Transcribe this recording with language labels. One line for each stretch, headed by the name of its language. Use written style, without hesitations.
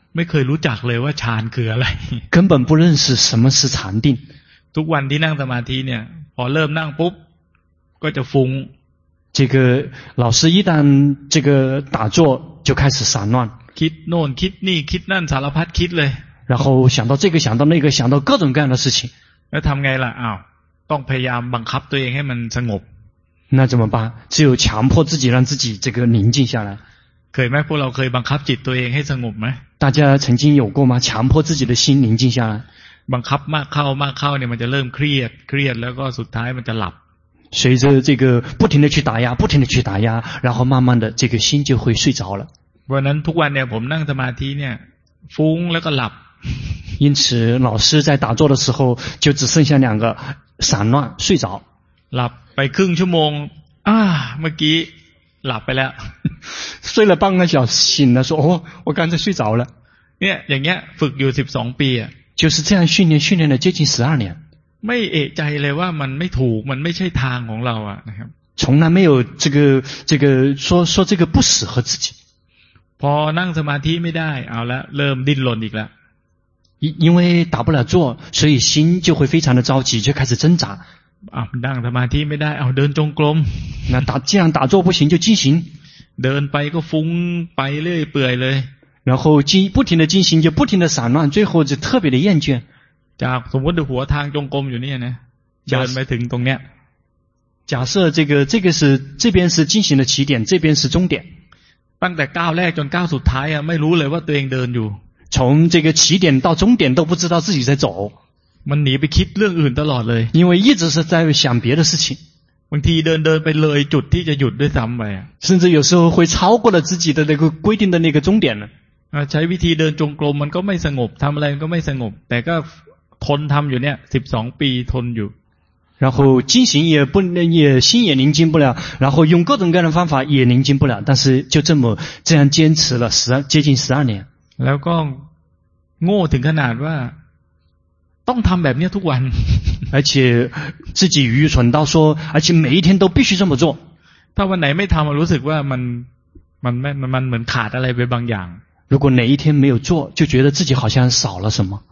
Thai: ไม่เคยรู้จักเลยว่าฌานคืออะไร
Chinese: 根本不认识什么是禅定
Thai: ทุกวันที่นั่งสมาธิเนี่ยพอเริ่มนั่งปุ๊บก็จะฟุ้ง
Chinese: 这个老师一旦这个打坐就开始散乱
Thai: คิดโน่นคิดนี่คิดนั่นสารพัดคิดเลย
Chinese: 然后想到这个想到那个想到各种各样的事情
Thai: แล้วทำไงล่ะอ้าวต้องพยายามบังคับตัวเองให้มันสงบ
Chinese: 那怎么办只有强迫自己让自己这个宁静下来可以吗
Thai: พวกเราเคยบังคับจิตตัวเองให้สงบไหม
Chinese: 大家曾经有过吗强迫自己的心宁静下来
Thai: บังคับมากเข้ามากเข้าเนี่ยมันจะเริ่มเครียดแล้วก็สุดท้ายมันจะหลับ
Chinese: 随着这个不停的去打压不停的去打压然后慢慢的这个心就会睡着了
Thai: วันนั้นทุกวันเนี่ยผมนั่งสมาธิเนี่ยฟุ้งแล้วก็หลับ
Chinese: 因此老师在打坐的时候就只剩下两个散乱睡着
Thai: หลับไปครึ่งชั่วโมงเมื่อกี้หลับไปแล้ว
Chinese: 睡了半个小时醒了说哦我刚才睡着了
Thai: เนี่ยอย่างเงี้ยฝึกอยู่12ปีอ่ะ
Chinese: 就是这样训练了接近12年
Thai: ไม่เอะใจเลยว่ามันไม่ถูกมันไม่ใช่ทางของเราอ่ะนะครับ
Chinese: 从来没有这个说这个不适合自己
Thai: พอนั่งสมาธิไม่ได้เอาละเริ่มดิ้นรนอีกละ
Chinese: 因为打不了坐所以心就会非常的着急就开始挣扎
Thai: นั่งสมาธิไม่ได้เอาเดินจงกรม
Chinese: 那打既然打坐不行就进行
Thai: เดินไปก็ฟุ้งไปเรื่อยเปื่อยเลย
Chinese: 然后不停的进行就不停的散乱最后就特别的厌倦
Thai: จากสมมติหัวทางจงกรมอยู่เนี่ยนะเดินไปถึงตรงเนี้ย
Chinese: 假设这个是这边是进行的起点这边是终点
Thai: ตั้งแต่ก้าวแรกจนก้าวสุดท้ายอ่ะไม่รู้เลยว่าตัวเองเดินอยู่
Chinese: 从这个起点到终点都不知道自己在走
Thai: มันหนีไปคิดเรื่องอื่นตลอดเลย
Chinese: 因为一直是在想别的事情
Thai: บางทีเดินเดินไปเลยจุดที่จะหยุดด้วยซ้ำไป
Chinese: 甚至有时候会超过了自己的那个规定的那个终点
Thai: ใช้วิธีเดินจงกรมมันก็ไม่สงบทำอะไรก็ไม่สงบแต่ก็ทนทำอยู่เนี่ย12ปีทนอยู่
Chinese: 然后进行也不能也心也宁静不了然后用各种各样的方法也宁静不了但是就这么这样坚持了接近12年
Thai: แล้วก็โง่ถึงขนาดว่าต้องทำแบบนี้ทุกวัน
Chinese: 而且自己愚蠢到说而且每一天都必须这么做
Thai: ถ้าวันไหนไม่ทำรู้สึกว่ามันเหมือนขาดอะไรไปบางอย่าง
Chinese: 如果哪一天没有做就觉得自己好像少了什么